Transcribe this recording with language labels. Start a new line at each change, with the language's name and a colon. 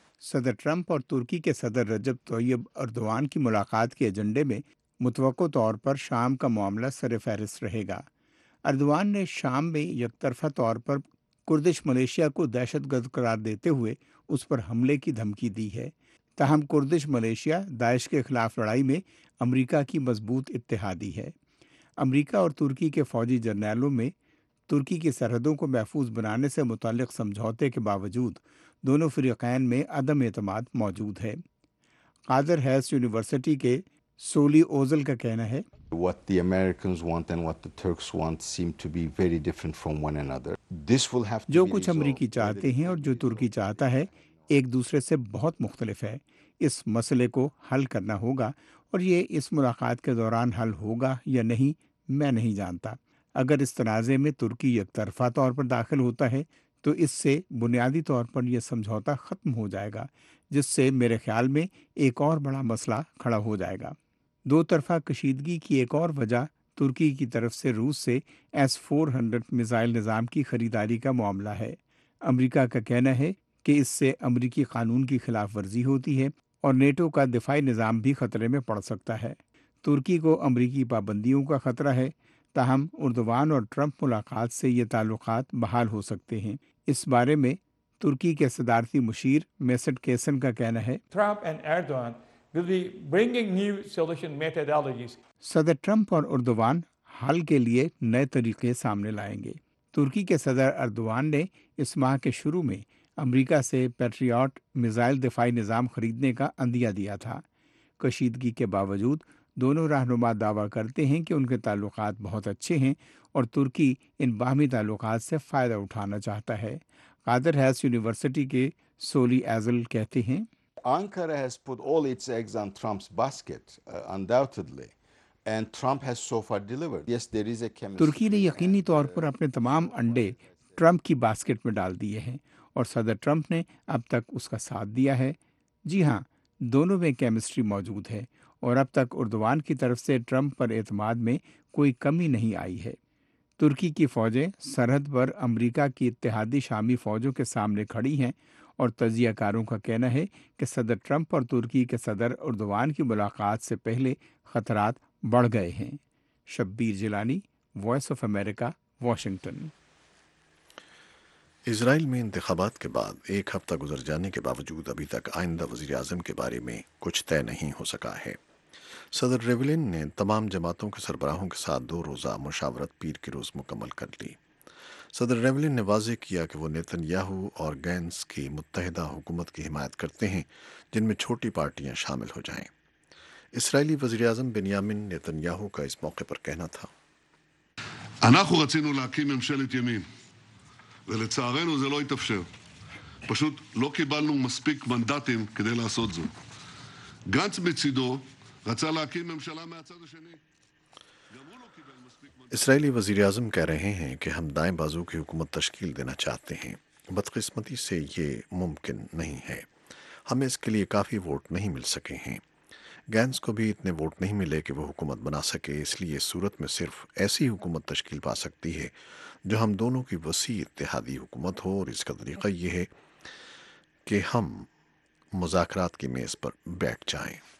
Urdu: صدر ٹرمپ اور ترکی کے صدر رجب طیب اردوان کی ملاقات کے ایجنڈے میں متوقع طور پر شام کا معاملہ سر فہرست رہے گا۔ اردوان نے شام میں یکطرفہ طور پر کردش ملیشیا کو دہشت گرد قرار دیتے ہوئے اس پر حملے کی دھمکی دی ہے۔ تاہم کردش ملیشیا داعش کے خلاف لڑائی میں امریکہ کی مضبوط اتحادی ہے۔ امریکہ اور ترکی کے فوجی جرنیلوں میں ترکی کی سرحدوں کو محفوظ بنانے سے متعلق سمجھوتے کے باوجود دونوں فریقین میں عدم اعتماد موجود ہے۔ قادر ہیلس یونیورسٹی کے سولی اوزل کا کہنا ہے
English: What the Americans want and what the Turks want seem to be very different from one another. This will have to
Urdu: جو کچھ امریکی چاہتے ہیں اور جو ترکی چاہتا ہے ایک دوسرے سے بہت مختلف ہے. اس مسئلے کو حل کرنا ہوگا اور یہ اس ملاقات کے دوران حل ہوگا یا نہیں میں نہیں جانتا. اگر اس تنازع میں ترکی یک طرفہ طور پر داخل ہوتا ہے تو اس سے بنیادی طور پر یہ سمجھوتا ختم ہو جائے گا, جس سے میرے خیال میں ایک اور بڑا مسئلہ کھڑا ہو جائے گا. دو طرفہ کشیدگی کی ایک اور وجہ ترکی کی طرف سے روس سے S-400 میزائل نظام کی خریداری کا معاملہ ہے. امریکہ کا کہنا ہے کہ اس سے امریکی قانون کی خلاف ورزی ہوتی ہے اور نیٹو کا دفاعی نظام بھی خطرے میں پڑ سکتا ہے. ترکی کو امریکی پابندیوں کا خطرہ ہے. تاہم اردوان اور ٹرمپ ملاقات سے یہ تعلقات بحال ہو سکتے ہیں. اس بارے میں ترکی کے صدارتی مشیر میسٹ کیسن کا کہنا ہے
English: Trump and Erdogan will be bringing new solution methodologies.
Urdu: صدر ٹرمپ اور اردوان حل کے لیے نئے طریقے سامنے لائیں گے. ترکی کے صدر اردوان نے اس ماہ کے شروع میں امریکہ سے پیٹریاٹ میزائل دفاعی نظام خریدنے کا عندیہ دیا تھا. کشیدگی کے باوجود دونوں رہنما دعویٰ کرتے ہیں کہ ان کے تعلقات بہت اچھے ہیں اور ترکی ان باہمی تعلقات سے فائدہ اٹھانا چاہتا ہے. قادر ہیس یونیورسٹی کے سولی ایزل کہتے ہیں
English: Ankara has put all its eggs on Trump's basket, undoubtedly, and Trump has so far delivered. Yes, there is a chemistry.
Urdu: ترکی نے یقینی طور پر اپنے تمام انڈے ٹرمپ کی باسکٹ میں ڈال دیے ہیں اور صدر ٹرمپ نے اب تک اس کا ساتھ دیا ہے. جی ہاں, دونوں میں کیمسٹری موجود ہے اور اب تک اردوان کی طرف سے ٹرمپ پر اعتماد میں کوئی کمی نہیں آئی ہے. ترکی کی فوجیں سرحد پر امریکہ کی اتحادی شامی فوجوں کے سامنے کھڑی ہیں اور تجزیہ کاروں کا کہنا ہے کہ صدر ٹرمپ اور ترکی کے صدر اردوان کی ملاقات سے پہلے خطرات بڑھ گئے ہیں. Shabbir Jilani, voice of America, Washington. اسرائیل میں انتخابات کے بعد ایک ہفتہ گزر جانے کے باوجود ابھی تک آئندہ وزیراعظم کے بارے میں کچھ طے نہیں ہو سکا ہے. صدر ریولین نے تمام جماعتوں کے سربراہوں کے ساتھ دو روزہ مشاورت پیر کے روز مکمل کر لی. صدر ریولین نے واضح کیا کہ وہ نیتن یاہو اور گینز کی متحدہ حکومت کی حمایت کرتے ہیں جن میں چھوٹی پارٹیاں شامل ہو جائیں. اسرائیلی وزیراعظم بنیامین نیتن یاہو کا اس موقع پر کہنا تھا
Hebrew: אנחנו רצינו להקים ממשלת ימין ולצערנו זה לא התאפשר. פשוט לא קיבלנו מספיק מנדטים כדי לעשות זאת. גנץ מצידו רצה להקים ממשלה מהצד השני.
Urdu: اسرائیلی وزیراعظم کہہ رہے ہیں کہ ہم دائیں بازو کی حکومت تشکیل دینا چاہتے ہیں. بدقسمتی سے یہ ممکن نہیں ہے. ہمیں اس کے لیے کافی ووٹ نہیں مل سکے ہیں. گینز کو بھی اتنے ووٹ نہیں ملے کہ وہ حکومت بنا سکے. اس لیے صورت میں صرف ایسی حکومت تشکیل پا سکتی ہے جو ہم دونوں کی وسیع اتحادی حکومت ہو, اور اس کا طریقہ یہ ہے کہ ہم مذاکرات کی میز پر بیٹھ جائیں.